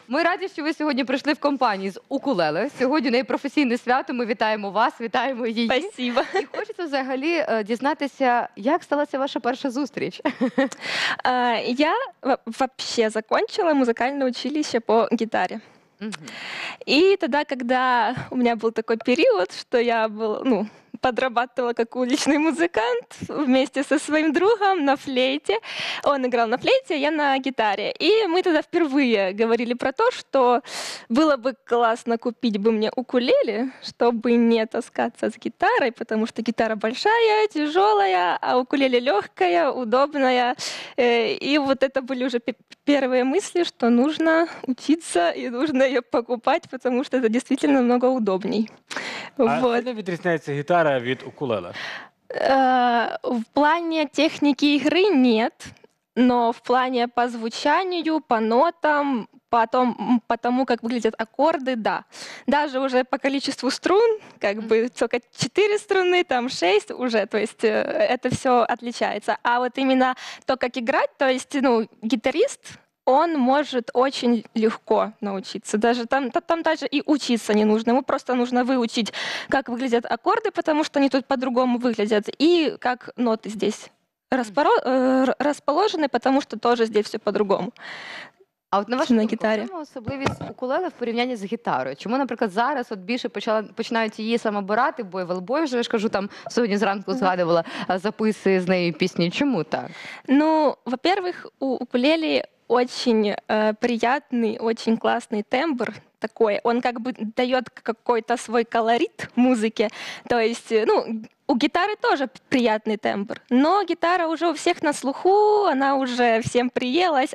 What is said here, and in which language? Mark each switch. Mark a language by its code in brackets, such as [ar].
[uk] Ми раді, що ви сьогодні прийшли в компанії з укулеле. Сьогодні найпрофесійне свято, ми вітаємо вас, вітаємо її. [ru] Спасибо. [uk] І хочеться взагалі дізнатися, як сталася ваша перша зустріч? Я взагалі закінчила музикальне училище по гітарі. [ru] И тогда, когда у меня был такой период, что я была, ну, подрабатывала как уличный музыкант вместе со своим другом на флейте. Он играл на флейте, я на гитаре. И мы тогда впервые говорили про то, что было бы классно купить бы мне укулеле, чтобы не таскаться с гитарой, потому что гитара большая, тяжелая, а укулеле легкая, удобная. И вот это были уже первые мысли, что нужно учиться и нужно ее покупать, потому что это действительно намного удобней. Вот. А отличается гитара від укулеле? [uk] В плані техніки ігри – ні, але в плані по звучанню, по нотам, по тому, як виглядять акорди – так. Навіть вже по кількості струн, як би, тільки 4 струни, там 6 вже, тобто, це все відрізняється. А от іменно то, як грати, тобто, ну, гітарист – [ru] он может очень легко научиться. Даже там даже и учиться не нужно. Ему просто нужно выучить, как выглядят аккорды, потому что они тут по-другому выглядят, и как ноты здесь расположены, потому что тоже здесь все по-другому. [uk] А от на вашу думку, в чому особливість укулеле в порівнянні з гітарою? Чому, наприклад, зараз от більше починають її самобирати, бо я в Лбові вже, я ж кажу, там сьогодні зранку згадувала записи з нею пісні. Чому так? [ru] Ну, во-первых, у укулелі очень приятный, очень классный тембр такой. Он как бы дает какой-то свой колорит музыке. То есть, ну, у гитары тоже приятный тембр. Но гитара уже у всех на слуху, она уже всем приелась.